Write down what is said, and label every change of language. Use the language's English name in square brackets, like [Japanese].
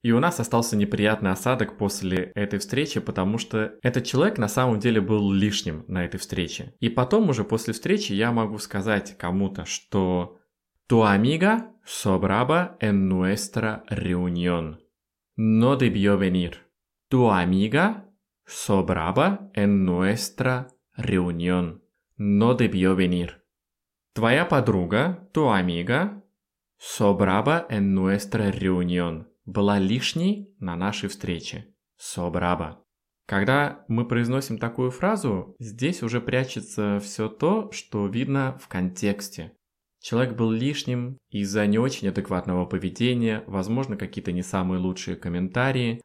[Russian] И у нас остался неприятный осадок после этой встречи, потому что этот человек на самом деле был лишним на этой встрече. И потом уже после встречи я могу сказать кому-то, что [Spanish] «Tu amiga sobraba en nuestra reunión. No debió venir. Tu amiga sobraba en nuestra reunión». No debió venir. [Russian] Твоя подруга, [Spanish] tu amiga, sobraba en nuestra reunión. [Russian] Была лишней на нашей встрече. [Spanish] Sobraba. [Russian] Когда мы произносим такую фразу, здесь уже прячется все то, что видно в контексте. Человек был лишним из-за не очень адекватного поведения, возможно, какие-то не самые лучшие комментарии.